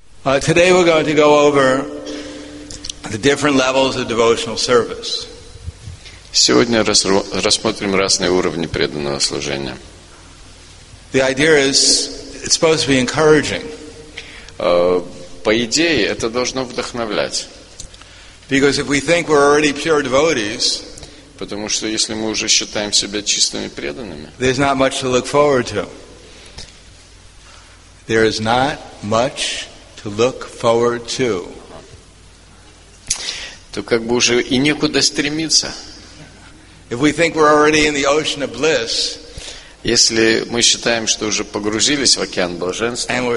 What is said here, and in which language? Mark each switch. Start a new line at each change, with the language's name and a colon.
English: Today we're going to go over the different levels of devotional service.
Russian: Сегодня рассмотрим разные уровни преданного служения.
English: The idea is it's supposed to be encouraging.
Russian: По идее, это должно вдохновлять.
English: Because if we think we're already pure devotees,
Russian: потому что если мы уже считаем себя чистыми преданными,
English: there's not much to look forward to. There is not much to look forward to.
Russian: То как бы уже и некуда стремиться.
English: If we think we're already in the ocean of bliss,
Russian: если мы считаем, что уже погрузились в океан блаженства,